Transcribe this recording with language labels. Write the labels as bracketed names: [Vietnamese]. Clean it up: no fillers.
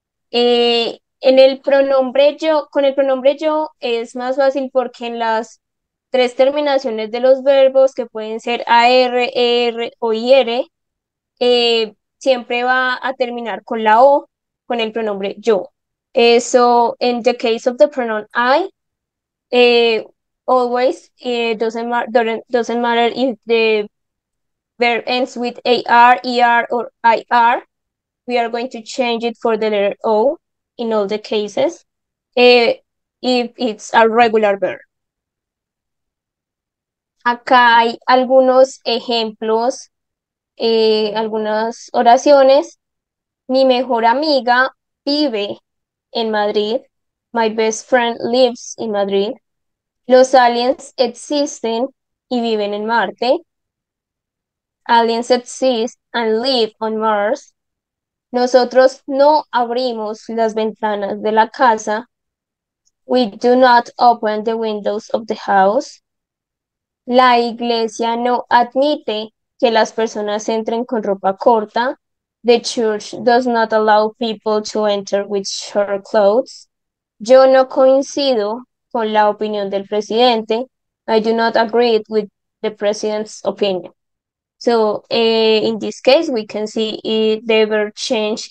[Spanish] En el pronombre yo, con el pronombre yo es más fácil porque en las tres terminaciones de los verbos que pueden ser AR, ER o IR, siempre va a terminar con la O, con el pronombre yo. [English] So in the case of the pronoun I, always, doesn't matter if the verb ends with AR, ER or IR. We are going to change it for the letter O in all the cases, if it's a regular verb. [Spanish] Acá hay algunos ejemplos, algunas oraciones. Mi mejor amiga vive en Madrid. [English] My best friend lives in Madrid. [Spanish] Los aliens existen y viven en Marte. [English] Aliens exist and live on Mars. [Spanish] Nosotros no abrimos las ventanas de la casa. [English] We do not open the windows of the house. [Spanish] La iglesia no admite que las personas entren con ropa corta. [English] The church does not allow people to enter with short clothes. [Spanish] Yo no coincido con la opinión del presidente. [English] I do not agree with the president's opinion. So, in this case, we can see the verb change.